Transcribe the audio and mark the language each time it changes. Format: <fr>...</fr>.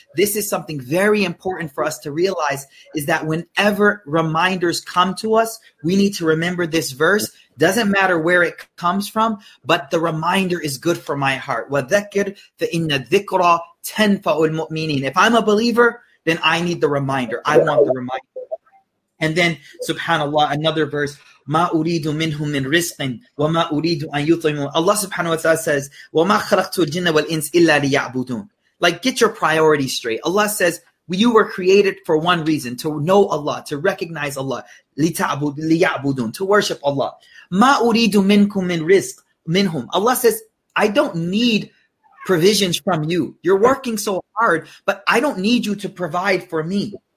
<en>This is something very important for us to realize, is that whenever reminders come to us, we need to remember this verse. Doesn't matter where it comes from, but the reminder is good for my heart.</en> <ar>وَذَكِّرْ فَإِنَّ ذِكْرَ تَنْفَعُ الْمُؤْمِنِينَ.</ar> <en>If I'm a believer, then I need the reminder. I want the reminder. And then, subhanAllah, another verse,</en> <ar>مَا أُرِيدُ مِنْهُمْ مِنْ رِزْقٍ وَمَا أُرِيدُ أَنْ يُطْعِمُونَ.</ar> <en>Allah subhanahu wa ta'ala says,</en> <ar>وَمَا خَلَقْتُ الْجِنَّ وَالْإِنْسِ إِلَّا لِيَعْبُدُونَ.</ar> <en>Like, get your priorities straight. Allah says, you were created for one reason, to know Allah, to recognize Allah,</en> <ar>لِيَعْبُدُونَ,</ar> <en>to worship Allah.</en> <ar>مَا أُرِيدُ مِنْكُمْ مِنْ رِزْقٍ مِنْهُمْ.</ar> <en>Allah says, I don't need provisions from you. You're working so hard, but I don't need you to provide for me.</en>